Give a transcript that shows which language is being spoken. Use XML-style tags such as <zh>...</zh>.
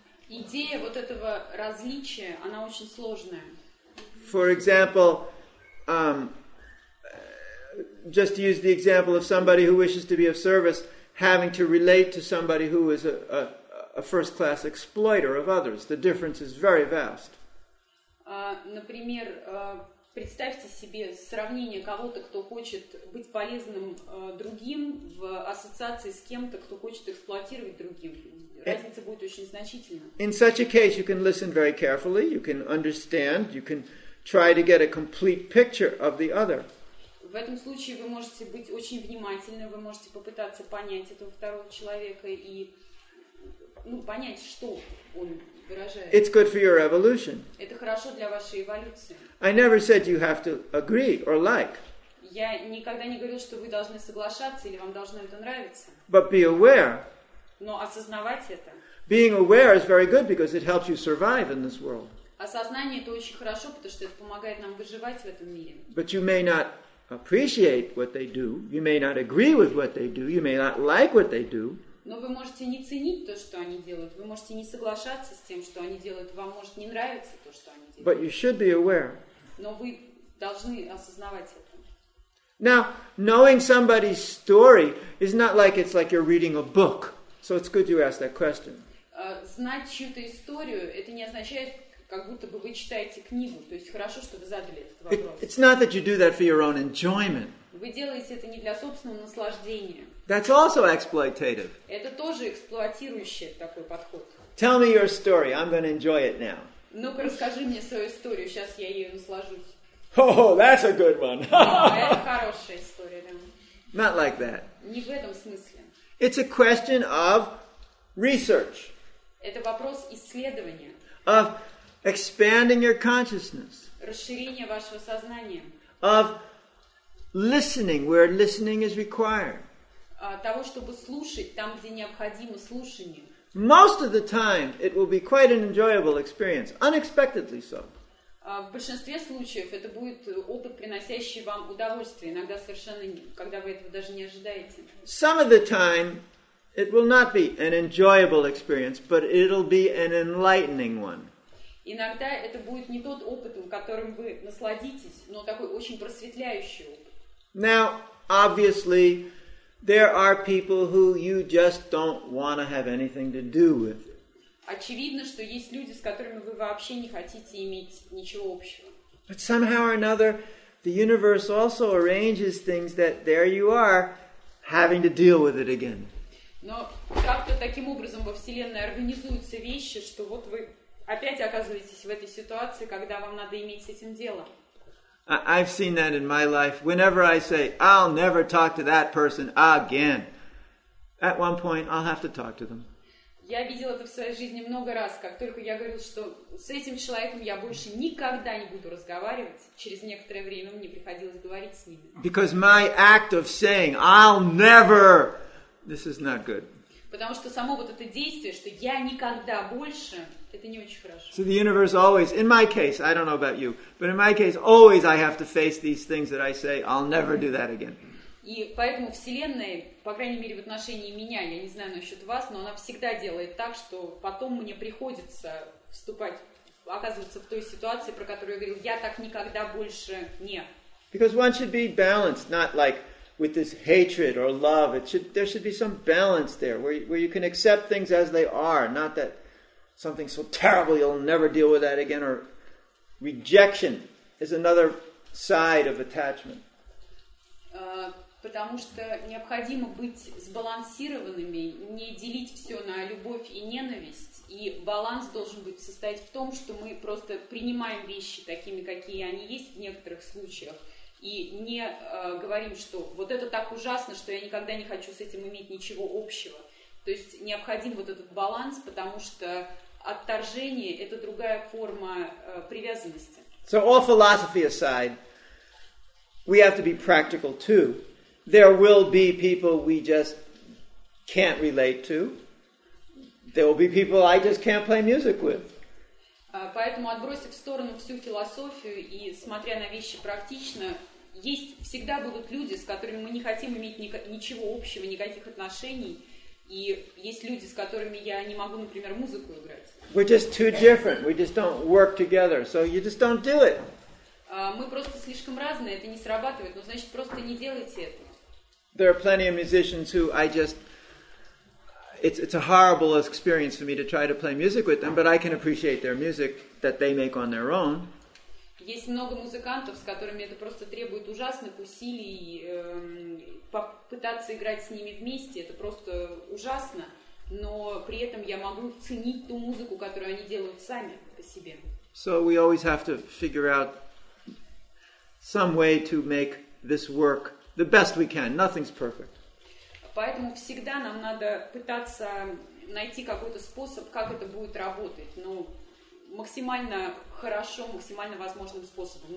<ru>Идея вот этого различия, она очень сложная.</ru> <en>For example, just to use the example of somebody who wishes to be of service, having to relate to somebody who is a first-class exploiter of others. The difference is very vast.</en> <ru>Например, представьте себе сравнение кого-то, кто хочет быть полезным другим, в ассоциации с кем-то, кто хочет эксплуатировать другим. Разница будет очень значительна.</ru> <en>In such a case, you can listen very carefully, you can understand, you can try to get a complete picture of the other.</en> <ru>В этом случае вы можете быть очень внимательны, вы можете попытаться понять этого второго человека и понять, что он выражает.</ru> <en>It's good for your evolution.</en> <ru>Это хорошо для вашей эволюции.</ru> <en>I never said you have to agree or like.</en> <ru>Я никогда не говорил, что вы должны соглашаться или вам должно это нравиться.</ru> <en>But be aware.</en> <ru>Но осознавать это.</ru> <en>Being aware is very good because it helps you survive in this world.</en> <ru>Осознание это очень хорошо, потому что это помогает нам выживать в этом мире.</ru> <en>But you may not appreciate what they do. You may not agree with what they do. You may not like what they do.</en> <ru>Но вы можете не ценить то, что они делают. Вы можете не соглашаться с тем, что они делают. Вам может не нравиться то, что они делают.</ru> <en>But you should be aware.</en> <ru>Но вы должны осознавать это.</ru> <en>Now, knowing somebody's story is not like it's like you're reading a book. So it's good you asked that question.</en> <ru>Знать чью-то историю, это не означает, как будто бы вы читаете книгу. То есть хорошо, что вы задали этот вопрос.</ru> <en>It's not that you do that for your own enjoyment.</en> <ru>Вы делаете это не для собственного наслаждения.</ru> <en>That's also exploitative.</en> <ru>Это тоже эксплуатирующий такой подход.</ru> <en>Tell me your story. I'm going to enjoy it now.</en> <ru>Ну-ка, расскажи мне свою историю. Сейчас я ее наслажусь.</ru> <en>Oh, that's a good one.</en> <ru>Это хорошая история, да.</ru> <en>Not like that.</en> <ru>Не в этом смысле.</ru> <en>It's a question of research.</en> <ru>Это вопрос исследования.</ru> <en>Of expanding your consciousness.</en> <ru>Расширение вашего сознания.</ru> <en>Of listening where listening is required.</en> <ru>Того, чтобы слушать там, где необходимо слушание.</ru> <en>Most of the time, it will be quite an enjoyable experience, unexpectedly so.</en> <ru>В большинстве случаев это будет опыт, приносящий вам удовольствие, иногда совершенно, когда вы этого даже не ожидаете.</ru> <en>Some of the time, it will not be an enjoyable experience, but it'll be an enlightening one.</en> <ru>Иногда это будет не тот опыт, которым вы насладитесь, но такой очень просветляющий опыт.</ru> <en>Now, obviously, there are people who you just don't want to have anything to do with.</en> <ru>Очевидно, что есть люди, с которыми вы вообще не хотите иметь ничего общего.</ru> <en>But somehow or another, the universe also arranges things that there you are, having to deal with it again.</en> <ru>Но как-то таким образом во Вселенной организуются вещи, что вот вы опять оказываетесь в этой ситуации, когда вам надо иметь с этим дело.</ru> <en>I've seen that in my life. Whenever I say, I'll never talk to that person again. At one point, I'll have to talk to them.</en> <ru>Я видела это в своей жизни много раз, как только я говорила, что с этим человеком я больше никогда не буду разговаривать, через некоторое время мне приходилось говорить с ними.</ru> <en>Because my act of saying, I'll never, this is not good.</en> <ru>Потому что само вот это действие, что я никогда больше, это не очень хорошо.</ru> <en>So the universe always, in my case, I don't know about you, but in my case, always I have to face these things that I say, I'll never do that again.</en> <ru>И поэтому Вселенная, по крайней мере в отношении меня, я не знаю насчет вас, но она всегда делает так, что потом мне приходится вступать, оказываться в той ситуации, про которую я говорил, я так никогда больше не.</ru> <en>Because one should be balanced, not like with this hatred or love. It should, there should be some balance there, where you can accept things as they are, not that something so terrible you'll never deal with that again, or rejection is another side of attachment.</en> <ru>Потому что необходимо быть сбалансированными, не делить все на любовь и ненависть. И баланс должен быть состоять в том, что мы просто принимаем вещи такими, какие они есть в некоторых случаях, и не говорим, что вот это так ужасно, что я никогда не хочу с этим иметь ничего общего. То есть необходим вот этот баланс, потому что отторжение – это другая форма привязанности.</ru> <en>So all philosophy aside, we have to be practical too. There will be people we just can't relate to. There will be people I just can't play music with.</en> <ru>Поэтому, отбросив в сторону всю философию и смотря на вещи практично, есть всегда будут люди, с которыми мы не хотим иметь ничего общего, никаких отношений, и есть люди, с которыми я не могу, например, музыку играть.</ru> <en>We're just too different. We just don't work together. So you just don't do it.</en> <ru>Мы просто слишком разные, это не срабатывает. Ну, значит, просто не делайте это.</ru> <en>There are plenty of musicians who I just, it's a horrible experience for me to try to play music with them, but I can appreciate their music that they make on their own.</en> <ru>Есть много музыкантов, с которыми это просто требует ужасных усилий, попытаться играть с ними вместе, это просто ужасно, но при этом я могу ценить ту музыку, которую они делают сами по себе.</ru> <en>So we always have to figure out some way to make this work the best we can. Nothing's perfect.</en> <ru>Поэтому всегда нам надо пытаться найти какой-то способ, как это будет работать, но максимально хорошо, максимально возможным способом.</ru>